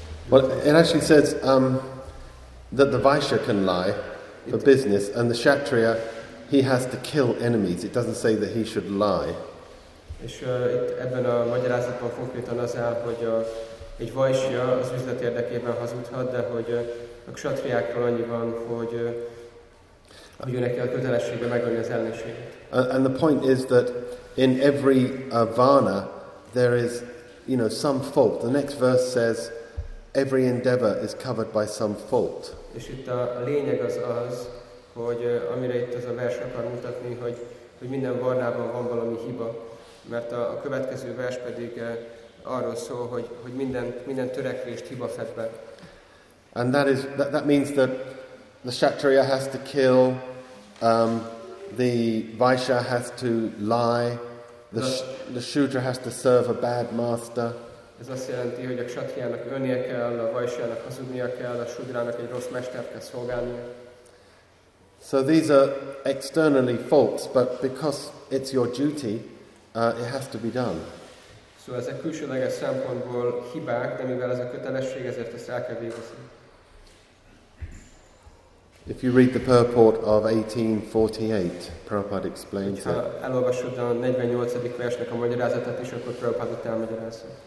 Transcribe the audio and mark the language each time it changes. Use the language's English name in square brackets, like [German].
[English] Well, it actually says that the Vaishya can lie for business, and the Kshatriya, he has to kill enemies. It doesn't say that he should lie. [Hungarian] És itt ebben a magyarázatban konkrétan az áll, hogy egy Vaishya az üzlet érdekében hazudhat, de hogy a Kshatriyákról annyi van, hogy őnek a kötelessége megölni az ellenséget. [English] And the point is that in every varna there is, you know, some fault. The next verse says every endeavor is covered by some fault. [Hungarian] És itt a lényeg az, hogy amire itt ez a vers akar mutatni, hogy minden varnában van valami hiba, mert a következő vers pedig arról szól, hogy minden törekvést hiba fed be. [English] And that is that means that the Kshatriya has to kill, the Vaishya has to lie, the Shudra has to serve a bad master. [Hungarian] Ez azt jelenti, hogy a Kshatriának ölnie kell, a Vaishyának hazudnia kell, a Shudrának egy rossz mestert kell szolgálnia. [English] So these are externally faults, but because it's your duty, it has to be done. [Hungarian] So ezek külsőleges szempontból hibák, de mivel ez a kötelesség, ezért ezt el kell végezni. [English] If you read the purport of 1848, Prabhupada explains it. [Hungarian] Ha elolvasod a 48. Versnek a magyarázatát is, akkor Prabhupada elmagyarázza.